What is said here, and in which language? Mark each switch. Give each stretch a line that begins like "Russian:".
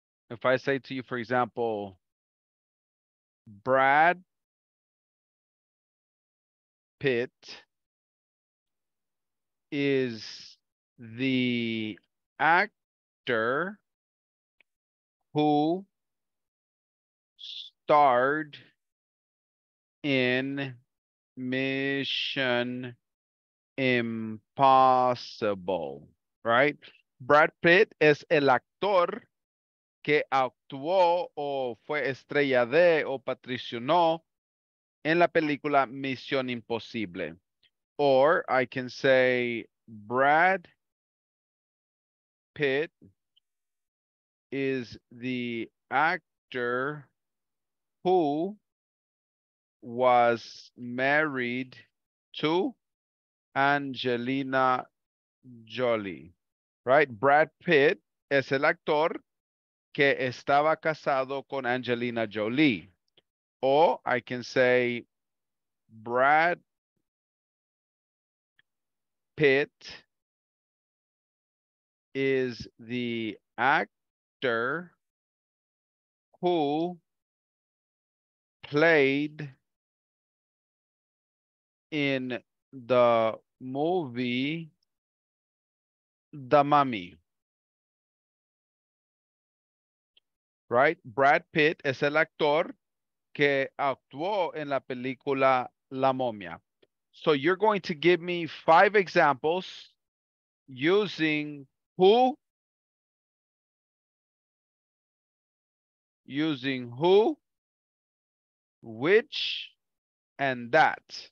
English: If I say to you, for example, Brad Pitt is the actor who starred in Mission Impossible, right?
Spanish: Brad Pitt es el actor que actuó o fue estrella de o patricionó en la película Misión Imposible.
English: Or I can say Brad Pitt is the actor who was married to Angelina Jolie. Right?
Spanish: Brad Pitt es el actor que estaba casado con Angelina Jolie.
English: Or I can say, Brad Pitt is the actor who played in the movie The Mummy. Right?
Spanish: Brad Pitt es el actor que actuó en la película La Momia.
English: So you're going to give me five examples using who? Using who, which, and that.